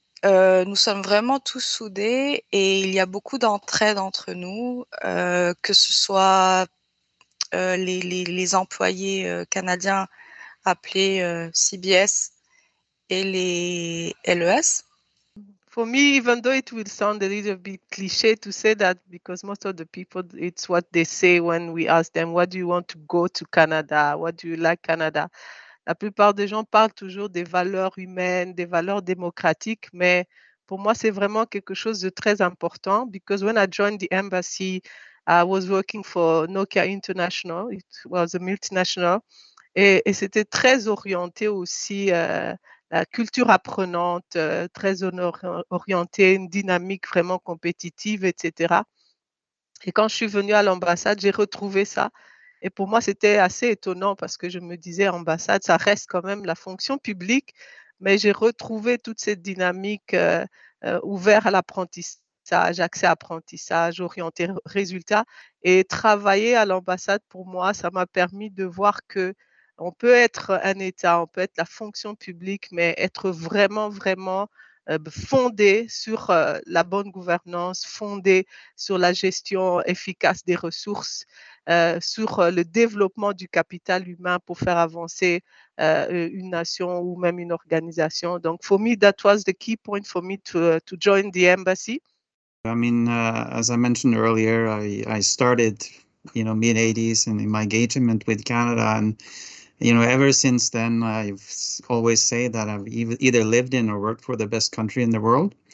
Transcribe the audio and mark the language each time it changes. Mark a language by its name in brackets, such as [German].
[French] Nous sommes vraiment tous soudés et il y a beaucoup d'entraide entre nous, que ce soit les employés canadiens appelés CBS et les LES. [English] For me, even though it will sound a little bit cliché to say that, because most of the people, it's what they say when we ask them, what do you want to go to Canada? What do you like Canada? [French] La plupart des gens parlent toujours des valeurs humaines, des valeurs démocratiques, mais pour moi, c'est vraiment quelque chose de très important. [English] Because when I joined the embassy, I was working for Nokia International. It was a multinational. [French] Et c'était très orienté aussi, la culture apprenante, très orienté, une dynamique vraiment compétitive, etc. Et quand je suis venue à l'ambassade, j'ai retrouvé ça. Et pour moi, c'était assez étonnant parce que je me disais, ambassade, ça reste quand même la fonction publique, mais j'ai retrouvé toute cette dynamique ouverte à l'apprentissage, accès à apprentissage, orienté résultat. Et travailler à l'ambassade, pour moi, ça m'a permis de voir qu'on peut être un État, on peut être la fonction publique, mais être vraiment, vraiment fondé sur la bonne gouvernance, fondé sur la gestion efficace des ressources, sur le développement du capital humain pour faire avancer une nation ou même une organisation. [English] Donc, for me, that was the key point for me to join the embassy. I mean, as I mentioned earlier, I started, you know, mid-80s and in my engagement with Canada, and You know, ever since then, I've always say that I've either lived in or worked for the best country in the world.